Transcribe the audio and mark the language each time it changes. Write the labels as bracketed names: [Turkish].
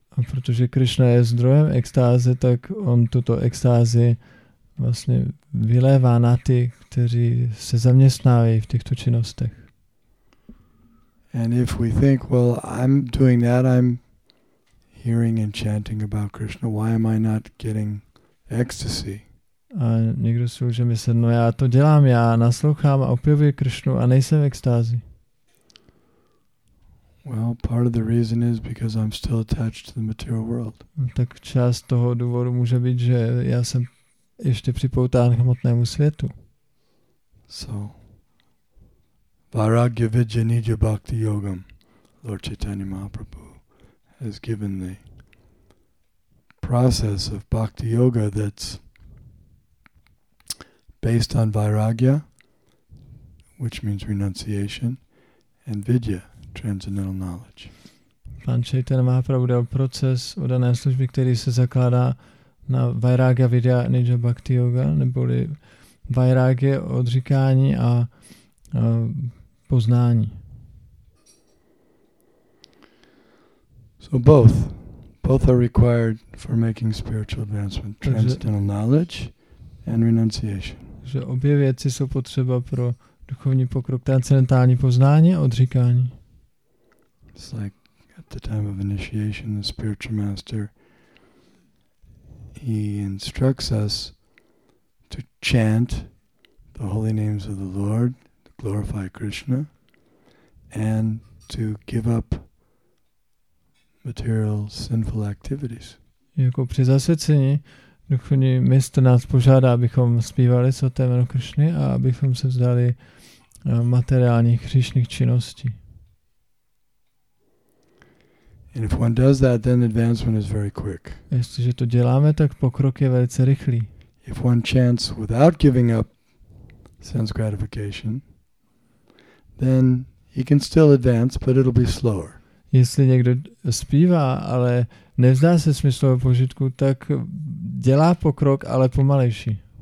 [Czech] A protože Krishna je zdrojem extáze, tak on tuto extázi vlastně vylévá na ty, kteří se zaměstnávají v těchto činnostech. [English] And if we think, well, I'm doing that, I'm hearing and chanting about Krishna, why am I not getting ecstasy? [Czech] A někdo si může myslet, no já to dělám, já naslouchám a opěvuji Krishnu a nejsem v extázi. [English] Well, part of the reason is because I'm still attached to the material world. [Czech] Tak část toho důvodu může být, že já jsem ještě připoután k hmotnému světu. [English] So, Vairagya Vidya Nidya Bhakti Yogam, Lord Chaitanya Mahaprabhu has given the process of bhakti yoga that's based on vairagya, which means renunciation, and vidya, transcendental knowledge. [Czech] Pan Chaitanya Mahaprabhu dal proces oddané služby, který se zakládá na vairagya vidya nidya bhakti yoga, neboli vairagya, odříkání a poznání. [English] So both. Both are required for making spiritual advancement, transcendental knowledge and renunciation. [Czech] Že obě věci jsou potřeba pro duchovní pokrok, transcendentální poznání a odříkání. [English] It's like at the time of initiation, the spiritual master, he instructs us to chant the holy names of the Lord, to glorify Krishna, and to give up material sinful activities. [Czech] Jako při zasvěcení, duchovní mistr nás požádá, abychom zpívali svaté jméno Krišny a abychom se vzdali materiálních hříšných činností. [English] And if one does that, then advancement is very quick. [Czech] Jestliže to děláme, tak pokrok je velice rychlý. [English] If one chants without giving up sense gratification, then he can still advance, but it'll be slower. [Czech] Jestli někdo zpívá, ale nevzdá se smyslového požitku, tak dělá pokrok, ale pomalejší.